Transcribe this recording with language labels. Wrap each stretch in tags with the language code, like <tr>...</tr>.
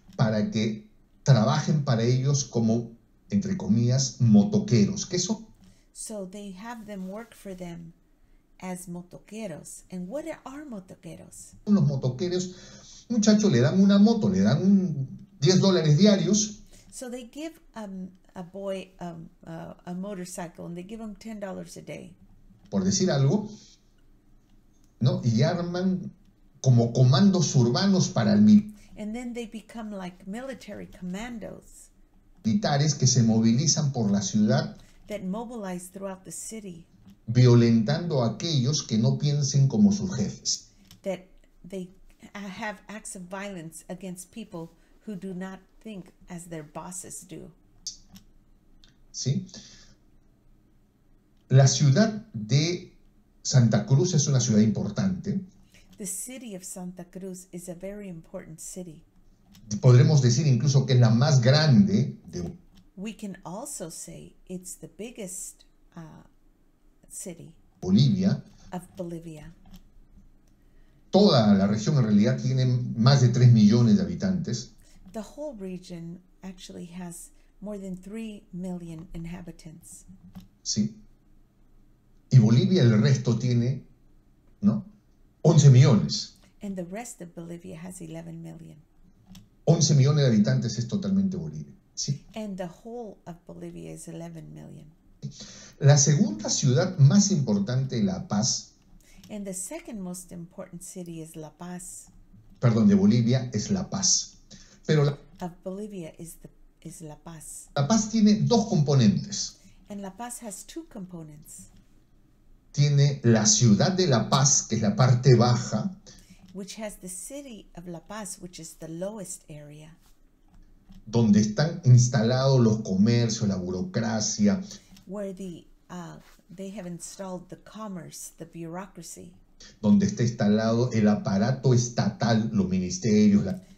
<es>para que trabajen para ellos como, entre comillas, motoqueros. ¿Qué es eso?</es> <en>So they have them work for them as motoqueros. And what are motoqueros?</en> <es>Los motoqueros, muchachos, le dan una moto, le dan $10 diarios.</es> <en>So they give a boy a motorcycle and they give him $10 a day.</en> <es>Por decir algo, ¿no? Y arman como comandos urbanos para el</es> <en>And then they become like military commandos.</en> <es>Militares que se movilizan por la ciudad</es> <en>that mobilize throughout the city,</en> <es>violentando a aquellos que no piensen como sus jefes.</es> <en>That they have acts of violence against people who do not think as their bosses do.</en> <es>¿Sí? La ciudad de Santa Cruz es una ciudad importante.</es> <en>The city of Santa Cruz is a very important city.</en> <es>Podremos decir incluso que es la más grande de.</es> <en>We can also say it's the biggest city</en> <es>Bolivia.</es> <en>Of Bolivia.</en> <es>Toda la región en realidad tiene más de 3 millones de habitantes.</es> <en>The whole region actually has more than 3 million inhabitants.</en> <es>Sí. Y Bolivia el resto tiene, ¿no? 11 millones.</es> <en>And the rest of Bolivia has 11 million.</en> <es>11 millones de habitantes es totalmente Bolivia. Sí.</es> <en>And the whole of Bolivia is 11 million.</en> <es>La segunda ciudad más importante de La Paz.</es> <en>And the second most important city is La Paz.</en> <es>Perdón, de Bolivia es La Paz. Pero</es> <en>of Bolivia is La Paz.</en> <es>La Paz tiene dos componentes.</es> <en>And La Paz has two components.</en> <es>Tiene la ciudad de La Paz, que es la parte baja,</es> <en>which has the city of La Paz, which is the lowest area,</en> <es>donde están instalados los comercios, la burocracia,</es> <en>where the they have installed the commerce, the bureaucracy,</en> <es>donde está instalado el aparato estatal, los ministerios, la,</es>